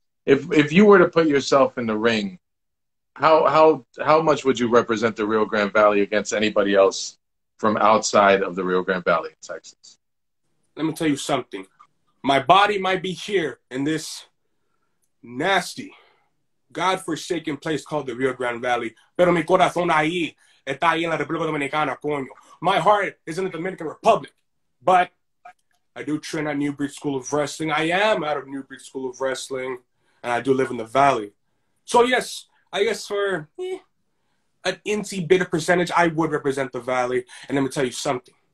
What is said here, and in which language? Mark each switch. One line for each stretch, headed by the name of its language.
English: If you were to put yourself in the ring, how much would you represent the Rio Grande Valley against anybody else from outside of the Rio Grande Valley in Texas? Let me tell you something. My body might be here in this nasty, godforsaken place called the Rio Grande Valley.
Spanish: Pero mi corazón ahí está ahí en la República Dominicana, coño.
English: My heart is in the Dominican Republic, but I do train at New Breed School of Wrestling. I am out of New Breed School of Wrestling, and I do live in the Valley. So, yes, I guess for an inty bit of percentage, I would represent the Valley. And let me tell you something.